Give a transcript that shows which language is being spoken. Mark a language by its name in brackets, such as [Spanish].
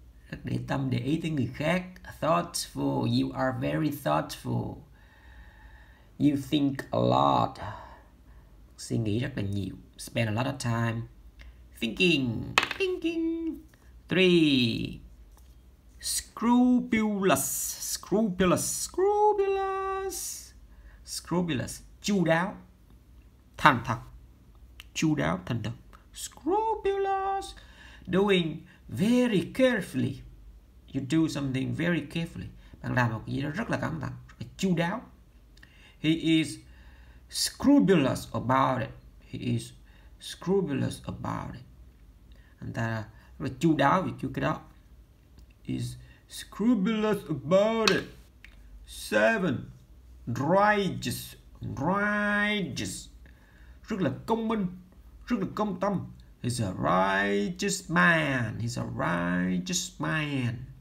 [Vietnamese] Rất để tâm, để ý tới người khác. [English] Thoughtful. You are very thoughtful. You think a lot. [Vietnamese] Suy nghĩ rất là nhiều. [English] Spend a lot of time thinking. Thinking. Three. Scrupulous. Scrupulous. Scrupulous. Scrupulous. [Vietnamese] Chu đáo. Thành thật. Chu đáo, thành thật. [English] Scrupulous. Doing very carefully. You do something very carefully. [Vietnamese] Bạn làm một cái gì đó rất là cẩn thận, rất là chu đáo. [English] He is scrupulous about it. He is scrupulous about it. [Vietnamese] Anh ta rất là chu đáo về cái đó. [English] Is scrupulous about it. Seven. Righteous. Righteous. [Vietnamese] Rất là công minh, rất là công tâm. [English] He's a righteous man. He's a righteous man.